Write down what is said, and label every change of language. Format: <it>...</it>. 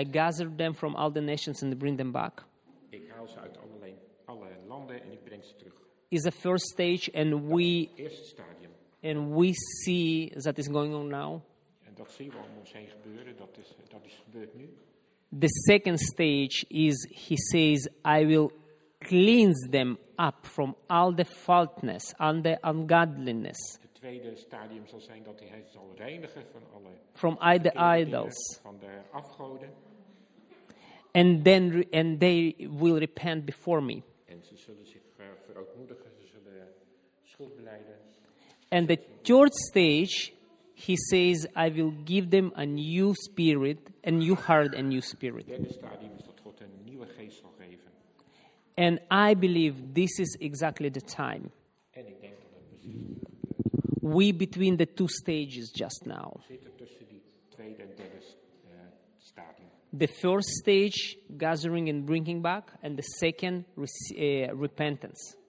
<en>I gather them from all the nations and bring them back.</en> <nl>Ik haal ze uit alle landen en ik breng ze terug.</nl> <en>Is the first stage, and we</en> <nl>eerste stadium.</nl> <en>And we see that is going on now.</en> <nl>En dat zien we om ons heen gebeuren. Dat is gebeurd nu.</nl> <en>The second stage is, he says, I will cleanse them up from all the faultness and the ungodliness.</en> <nl>Het tweede stadium zal zijn dat hij zal reinigen van alle.</nl> <en>From the idols.</en> <nl>Van de afgoden.</nl> <en>And then and they will repent before me.</en> <nl>En ze zullen zich verootmoedigen, ze zullen schuld beleiden.</nl> <en>And the third stage, he says, I will give them a new spirit, a new heart, a new spirit.</en> <nl>Derde stadium is dat God een nieuwe geest zal geven.</nl> <en>And I believe this is exactly the time.</en> <nl>En ik denk dat het precies.</nl> <en>We between the two stages just now.</en> <nl>Zitten tussen die tweede en derde stadium.</nl> <en>The first stage, gathering and bringing back, and the second, repentance.</en>